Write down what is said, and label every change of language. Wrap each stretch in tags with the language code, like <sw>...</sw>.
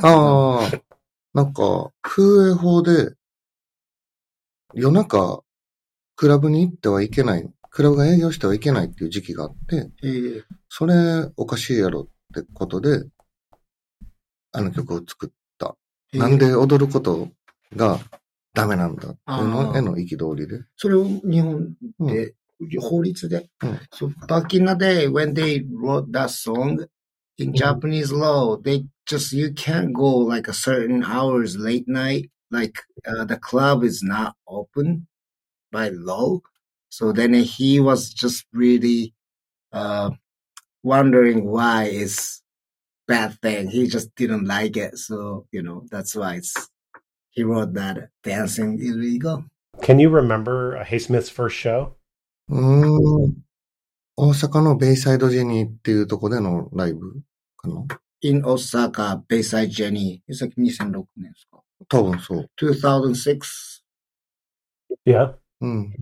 <ja>ああ、なんか、風営法で、夜中、クラブに行ってはいけない、クラブが営業してはいけないっていう時期があって、それ、おかしいやろってことで、あの曲を作って、なんで踊ることがダメなんだっていうのへの憤りで。それを日本で、法律で。うん、</ja> <en>back in the day, when they wrote that song, in Japanese law, they just, you can't go like a certain hours late night, like, the club is not open by law. So then he was just really, wondering why it'sbad thing. He just didn't like it. So, you know, that's why he wrote that Dancing Illegal. Can you remember Haysmith's first show?</en> <ja>大阪のベイサイドジェニーっていうとこでのライブかな?</ja> <en>In Osaka, ベイサイドジェニー。It's like</en> <ja>2006年ですか? 多分そう。</ja> <en>2006? Yeah.、うん、</en>